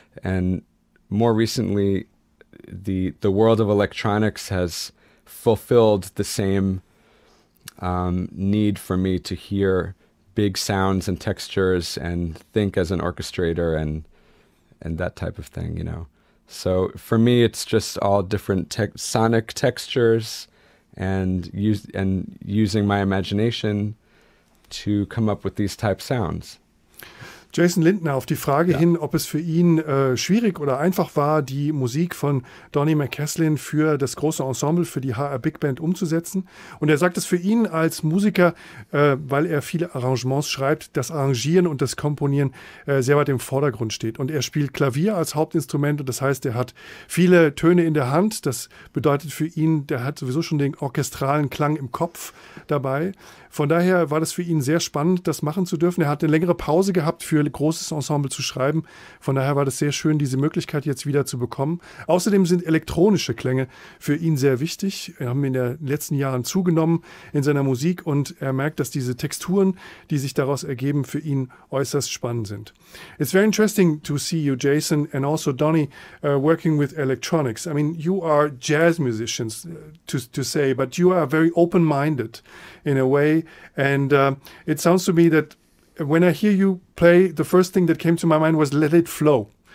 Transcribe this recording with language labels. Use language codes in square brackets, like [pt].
[en] And more recently, the world of electronics has fulfilled the same need for me to hear big sounds and textures and think as an orchestrator and that type of thing, So for me, it's just all different sonic textures and using my imagination to come up with these type sounds. [de] Jason Lindner auf die Frage hin, ob es für ihn schwierig oder einfach war, die Musik von Donny McCaslin für das große Ensemble, für die HR Big Band umzusetzen. Und er sagt es für ihn als Musiker, weil er viele Arrangements schreibt, das Arrangieren und das Komponieren sehr weit im Vordergrund steht. Und er spielt Klavier als Hauptinstrument und das heißt, er hat viele Töne in der Hand. Das bedeutet für ihn, der hat sowieso schon den orchestralen Klang im Kopf dabei. Von daher war das für ihn sehr spannend, das machen zu dürfen. Er hat eine längere Pause gehabt, für ein großes Ensemble zu schreiben. Von daher war das sehr schön, diese Möglichkeit jetzt wieder zu bekommen. Außerdem sind elektronische Klänge für ihn sehr wichtig. Wir haben in den letzten Jahren zugenommen in seiner Musik und er merkt, dass diese Texturen, die sich daraus ergeben, für ihn äußerst spannend sind. [en] It's very interesting to see you, Jason, and also Donny, working with electronics. I mean, you are jazz musicians, to say, but you are very open-minded in a way. And it sounds to me that when I hear you play, the first thing that came to my mind was "Let It Flow."